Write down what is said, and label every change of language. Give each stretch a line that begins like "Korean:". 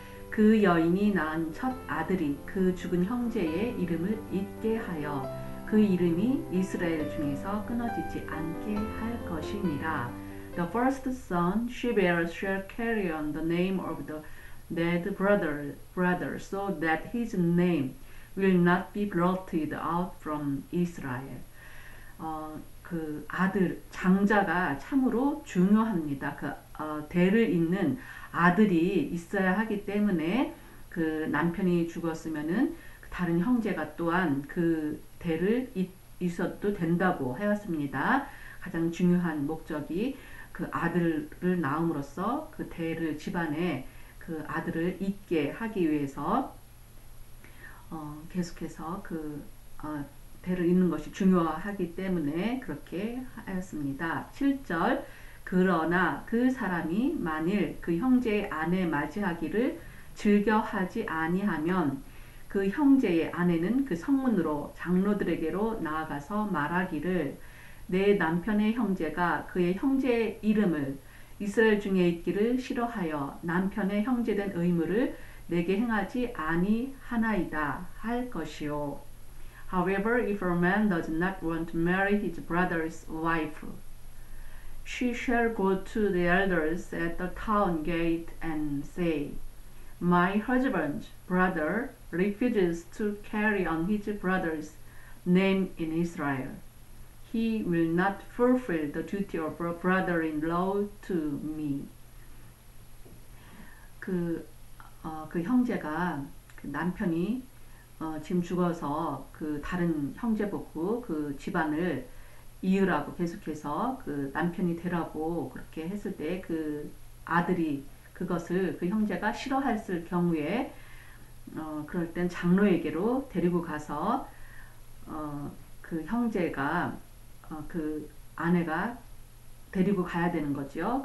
Korean: 그 여인이 낳은 첫 아들이 그 죽은 형제의 이름을 잊게 하여 그 이름이 이스라엘 중에서 끊어지지 않게 할 것이니라.
English: The first son she bears shall carry on the name of the dead brother, so that his name will not be blotted out from Israel.
Korean: 그 아들, 장자가 참으로 중요합니다. 그 대를 잇는 아들이 있어야 하기 때문에 그 남편이 죽었으면은 다른 형제가 또한 그 대를 잇어도 된다고 하였습니다. 가장 중요한 목적이 그 아들을 낳음으로써 그 대를 집안에 그 아들을 잇게 하기 위해서 계속해서 그 대를 잇는 것이 중요하기 때문에 그렇게 하였습니다. 7절 그러나 그 사람이 만일 그 형제의 아내 맞이하기를 즐겨하지 아니하면 그 형제의 아내는 그 성문으로 장로들에게로 나아가서 말하기를 내 남편의 형제가 그의 형제의 이름을 이스라엘 중에 있기를 싫어하여 남편의 형제된 의무를 내게 행하지 아니하나이다 할 것이요.
English: However, if a man does not want to marry his brother's wife, she shall go to the elders at the town gate and say, My husband's brother refuses to carry on his brother's name in Israel. He will not fulfill the duty of a brother-in-law to me.
Korean: 그 형제가 그 남편이 지금 죽어서 그 다른 형제 복구 그 집안을 이으라고 계속해서 그 남편이 되라고 그렇게 했을 때 그 아들이 그것을 그 형제가 싫어했을 경우에 그럴 땐 장로에게로 데리고 가서 그 형제가 그 아내가 데리고 가야 되는 거죠.